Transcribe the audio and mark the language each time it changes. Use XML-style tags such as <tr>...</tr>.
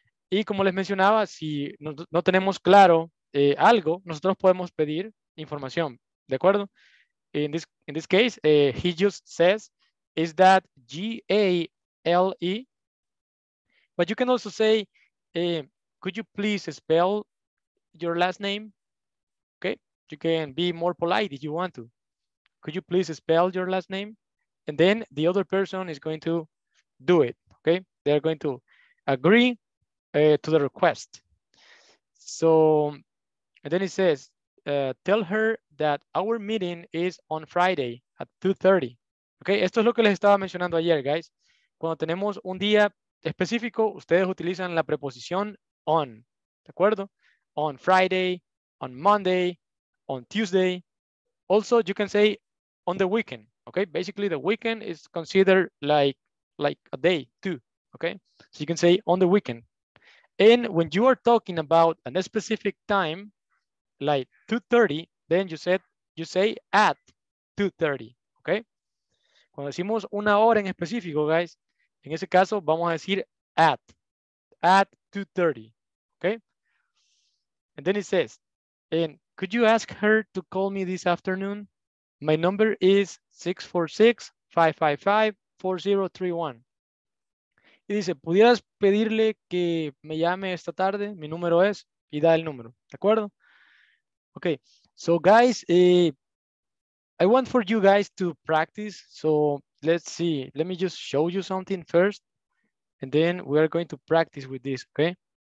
<es>Y como les mencionaba, si no tenemos claro algo, nosotros podemos pedir información, ¿de acuerdo?</es> <en>In this case, he just says, is that G-A-L-E? But you can also say, could you please spell your last name? Okay, you can be more polite if you want to. Could you please spell your last name? And then the other person is going to do it. Okay, they're going to agree to the request. So, and then it says, tell her that our meeting is on Friday at 2:30.</en> <es>Okay, esto es lo que les estaba mencionando ayer, guys. Cuando tenemos un día específico, ustedes utilizan la preposición on, ¿de acuerdo?</es> <en>On Friday, on Monday, on Tuesday. Also, you can say on the weekend, okay? Basically, the weekend is considered like a day too, okay? So you can say on the weekend. And when you are talking about a specific time, like 2:30, then you say at 2:30, okay?</en> <es>Cuando decimos una hora en específico, guys, en ese caso vamos a decir at 2:30, okay?</es> <en>And then it says, and could you ask her to call me this afternoon? My number is 646-555-4031.</en> <es>Y dice, ¿pudieras pedirle que me llame esta tarde? Mi número es, y da el número, ¿de acuerdo?</es> <en>Okay, so guys, I want for you guys to practice. So let's see, let me just show you something first, and then we are going to practice with this, okay?</en>